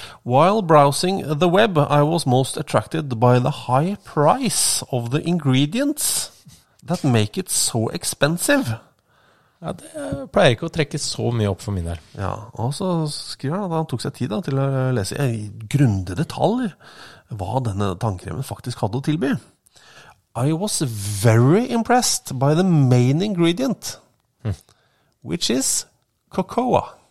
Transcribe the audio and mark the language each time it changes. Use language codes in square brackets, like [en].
[en] While browsing the web, I was most attracted by the high price of the ingredients that make it so expensive. [no] Ja, det pleier ikke å trekke så mye opp for min del. Ja, og så skriver han at han tok seg tid da, til å lese I grunde detalj hva denne tannkremen faktisk hadde å tilby. [en] I was very impressed by the main ingredient, which is cocoa.